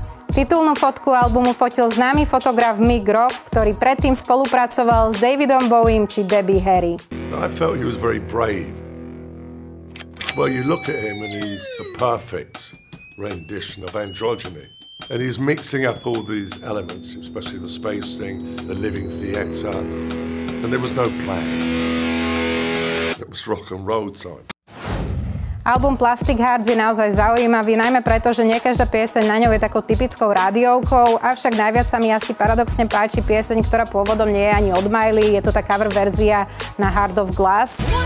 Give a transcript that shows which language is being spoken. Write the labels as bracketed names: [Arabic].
[Slovak] Titulnú fotku albumu fotil známy fotograf Mick Rock, ktorý predtým spolupracoval s Davidom Bowiem či Debbie Harry. [English] I felt he was very brave. Well, you look at him and he's the perfect rendition of androgyny. And he's mixing up all these elements, especially the space thing, the living theater. And there was no plan. It was rock and roll time. [Slovak] Album Plastic Hearts je naozaj zaujímavý, najmä preto, že nie každá pieseň na ňou je takou typickou rádiovkou, avšak najviac sa mi asi paradoxne páči pieseň, ktorá pôvodom nie je ani od Miley, je to tá cover verzia na Heart of Glass.